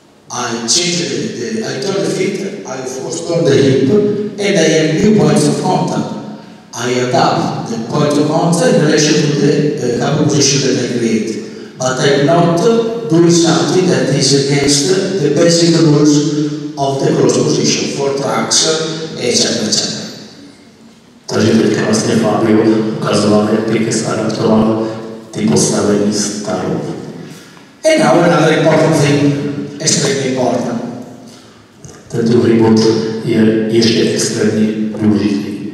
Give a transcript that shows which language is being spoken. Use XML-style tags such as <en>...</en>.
<en>I change I turn the feet, I of course turn the hip, and I have new points of contact. I adapt the point of contact in relation to the couple position that I create. But I'm not doing something that is against the basic rules of the cross position for trucks, etc. etc.</en> <cs>Takže teďka vlastně Fabio ukazoval, jak pěkně se adaptoval ty postavení starů.</cs> <en>And now another important thing. Extremely important.</en> <cs>Ten druhý bod je ještě extrémně důležitý.</cs>